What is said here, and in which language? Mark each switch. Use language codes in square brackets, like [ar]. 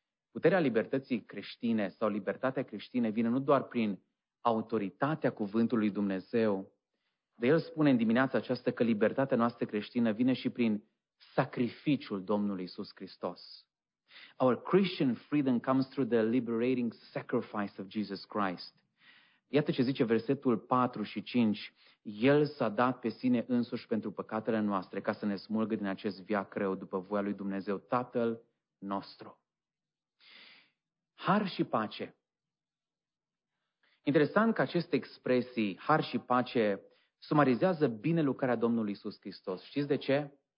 [ro] Puterea libertății creștine sau libertatea creștină vine nu doar prin autoritatea cuvântului Dumnezeu, dar El spune în dimineața aceasta că libertatea noastră creștină vine și prin sacrificiul Domnului Iisus Hristos. [en] Our Christian freedom comes through the liberating sacrifice of Jesus Christ. [ro] Iată ce zice versetul 4 și 5. El s-a dat pe sine însuși pentru păcatele noastre, ca să ne smulgă din acest viac rău, după voia lui Dumnezeu, Tatăl nostru. Har și pace. Interesant că aceste expresii, har și pace, sumarizează bine lucrarea Domnului Iisus Hristos. Știți de ce?